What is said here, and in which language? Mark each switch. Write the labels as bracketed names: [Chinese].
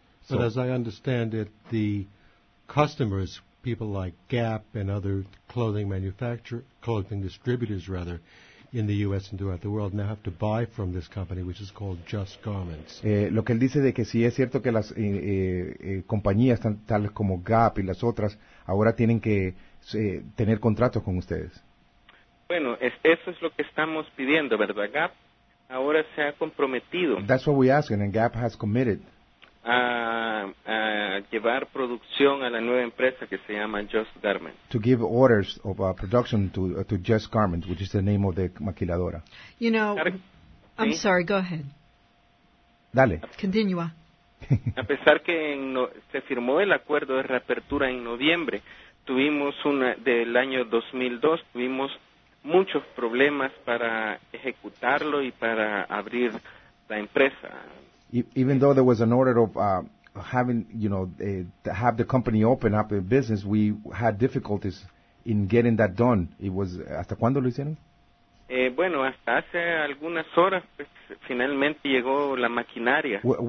[English] So, but as I understand it, the customers, people like Gap and other clothing distributors rather, in the U.S. and throughout the world, now have to buy from this company, which is called Just Garments. [Spanish] Lo que él dice de que sí es cierto que las compañías tales como Gap y las otras ahora tienen que tener contratos con ustedes. Bueno, eso es lo que estamos pidiendo, ¿verdad? Gap ahora se ha comprometido. [English] That's what we asking, and Gap has committed. [Spanish] A llevar producción a la nueva empresa que se llama Just Garment. [English] To give orders of production to Just Garment, which is the name of the maquiladora. You know, I'm sorry, go ahead. [Spanish] Dale. Continúa. A pesar que se firmó el acuerdo de reapertura en noviembre, tuvimos del año 2002, tuvimos muchos problemas para ejecutarlo y para abrir la empresa. [English] Even though there was an order of to have the company open up a business, we had difficulties in getting that done. It was, [Spanish] ¿hasta cuándo lo hicieron? Bueno, hasta hace algunas horas, pues, finalmente llegó la maquinaria.